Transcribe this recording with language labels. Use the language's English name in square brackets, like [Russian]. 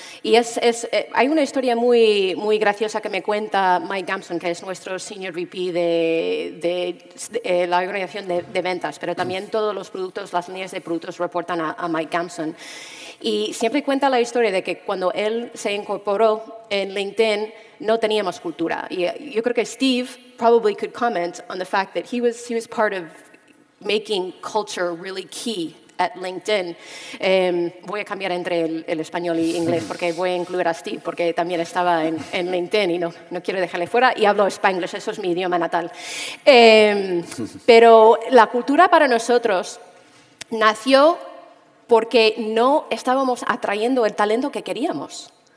[Spanish] Y hay una historia muy, muy graciosa que me cuenta Mike Gamson, que es nuestro Senior VP de la organización de ventas, pero también todos los productos, las líneas de productos reportan a Mike Gamson. Y siempre cuenta la historia de que cuando él se incorporó en LinkedIn, no teníamos cultura. Y yo creo que [English] Steve probably could comment on the fact that he was part of making culture really key at LinkedIn. [Spanish] Voy a cambiar entre el español y inglés porque voy a incluir a Steve porque también estaba en LinkedIn y no quiero dejarle fuera y hablo español, eso es mi idioma natal. Pero la cultura para nosotros nació porque no estábamos atrayendo el talento que queríamos.